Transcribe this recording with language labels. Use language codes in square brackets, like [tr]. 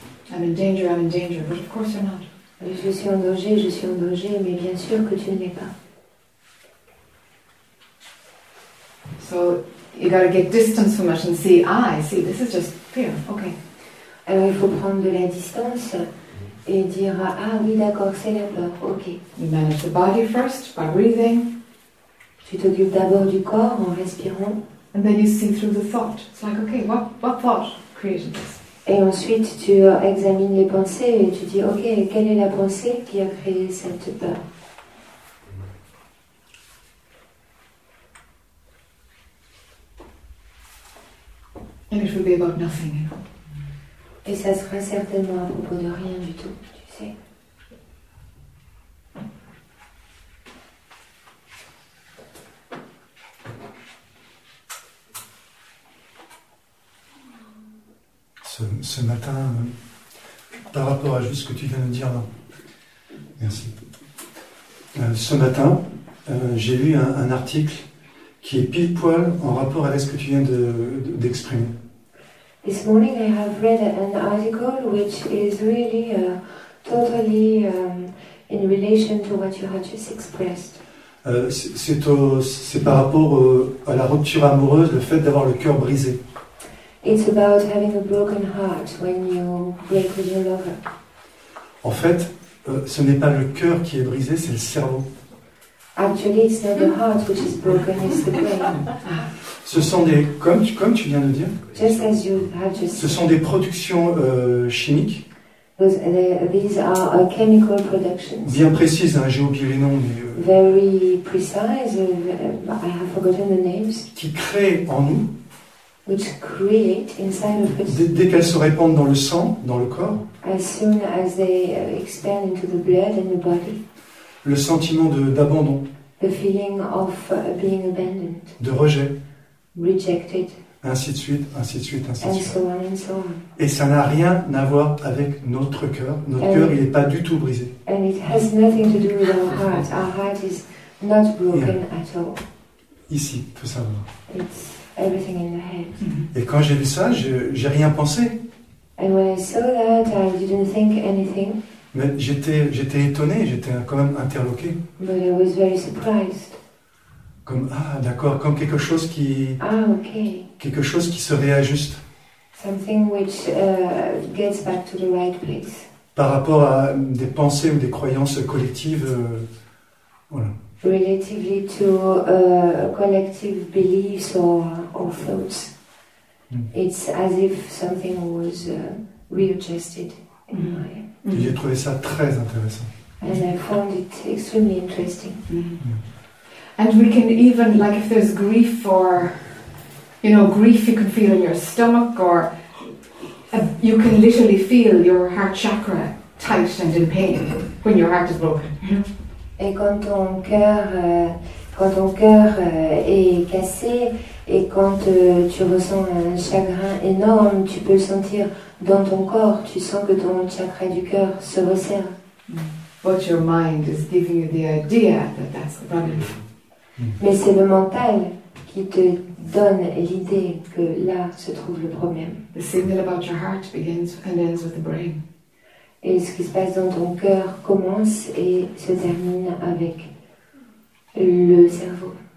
[en] I'm in danger, but of course you're not. [fr] Je suis en danger, mais bien sûr que tu ne l'es pas. [en] So you gotta get distance from us and see, ah, I see, this is just fear, okay. [fr] Alors il faut prendre de la distance et dire, ah oui, d'accord, c'est la peur, ok. [en] You manage the body first by breathing. [fr] Tu t'occupes d'abord du corps en respirant. [en] And then you see through the thought. It's like, okay, what thought created this? [fr] Et ensuite, tu examines les pensées et tu dis, ok, quelle est la pensée qui a créé cette peur? [en] And it will be about nothing. [fr] Et ça sera certainement à propos de rien du tout, tu sais. Ce matin, par rapport à juste ce que tu viens de dire là, merci. Ce matin, j'ai lu un article qui est pile poil en rapport avec ce que tu viens d'exprimer. [en] This morning I have read an article which is really totally in relation to what you have just expressed. [fr] C'est par rapport à la rupture amoureuse, le fait d'avoir le cœur brisé. [en] It's about having a broken heart when you break with your lover. [fr] En fait, ce n'est pas le cœur qui est brisé, c'est le cerveau. [en] Actually, it's not the heart which is broken, it's the brain. [fr] Ce sont des, comme tu viens de dire, [en] just as you have just [fr] ce sont des productions chimiques. [en] These are our chemical productions. [fr] Bien précises, hein, j'ai oublié les noms. Mais, [en] very precise, I have forgotten the names. [fr] Qui créent en nous, [en] which create inside of us, [fr] dès qu'elles se répandent dans le sang, dans le corps, [en] as soon as they expand into the blood and the body, [fr] le sentiment d'abandon, [en] the feeling of being abandoned, [fr] de rejet, [en] rejected, [fr] ainsi de suite. [en] And so on and so on. [fr] Et ça n'a rien à voir avec notre cœur. Notre cœur, il n'est pas du tout brisé. [en] And it has nothing to do with our heart. Our heart is not broken at all. [fr] Ici, tout simplement. [en] It's everything in the head. [fr] Et quand j'ai vu ça, j'ai rien pensé. [en] And when I saw that, I didn't think anything. [fr] Mais j'étais étonné, j'étais quand même interloqué. [en] But I was very surprised. [fr] Comme, ah, d'accord, comme quelque chose qui... [en] Ah, okay. [fr] Quelque chose qui se réajuste. [en] Something which gets back to the right place. [fr] Par rapport à des pensées ou des croyances collectives, voilà. [en] Relatively to collective beliefs or thoughts. It's as if something was readjusted in my mind. [fr] Et j'ai trouvé ça très intéressant. [en] And I found it extremely interesting. And we can even, like, if there's grief or, you know, grief you can feel in your stomach, or you can literally feel your heart chakra tight and in pain when your heart is broken. [fr] Et quand ton cœur est cassé, et quand tu ressens un chagrin énorme, tu peux sentir dans ton corps, tu sens que ton chakra du cœur se resserre. [en] But your mind is giving you the idea that that's the problem. [fr] Mais c'est le mental qui te donne l'idée que là se trouve le problème. [en] The signal about your heart begins and ends with the brain. [fr] Et ce qui se passe dans ton cœur commence et se termine avec le cerveau.